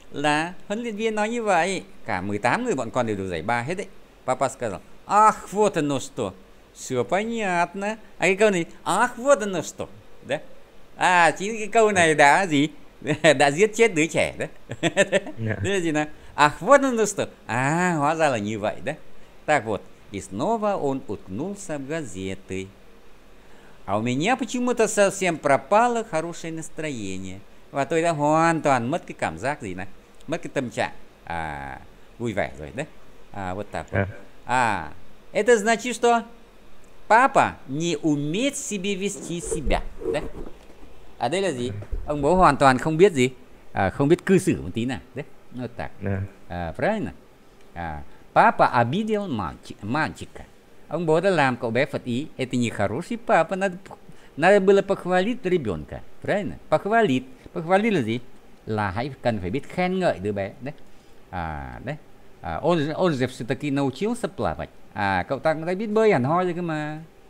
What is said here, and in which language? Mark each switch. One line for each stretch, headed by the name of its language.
Russian: Да,
Vietnamese: huấn luyện viên nói như vậy. Cả 18 người bọn con đều được giải ba hết đấy.
Russian: Папа сказал. Ах, вот оно что. Все понятно.
Vietnamese: А cái câu này,
Russian: ах, вот оно что.
Vietnamese: Да? А, chính cái câu này đã gì? Đã giết chết đứa trẻ đấy. Thế là gì nào?
Russian: Ах, вот оно что.
Vietnamese: А, hóa ra là như vậy đấy.
Russian: Так вот. И снова он уткнулся в газеты. А у меня почему-то совсем пропало хорошее настроение.
Vietnamese: Và tôi đã hoàn toàn mất cái cảm giác gì này. Mất cái tâm trạng vui vẻ rồi đấy.
Russian: À, вот так вот. À, это значит, что папа не умеет себе вести себя.
Vietnamese: Đấy. À, đây là gì? Ông bố hoàn toàn không biết gì. À, không biết cư xử một tí nào. Đấy.
Russian: Вот так. À, правильно? À, папа обидел мальчика.
Vietnamese: Ông bố đã làm cậu bé phật ý.
Russian: Это не хороший папа. Надо было похвалить ребенка. Правильно? Похвалить. Похвалить
Vietnamese: là gì? Là hãy cần phải biết khen ngợi đứa bé. Đấy. À, đấy.
Russian: À, он же все-таки научился плавать.
Vietnamese: À, cậu ta cũng đã biết bơi hẳn hoi rồi cơ mà.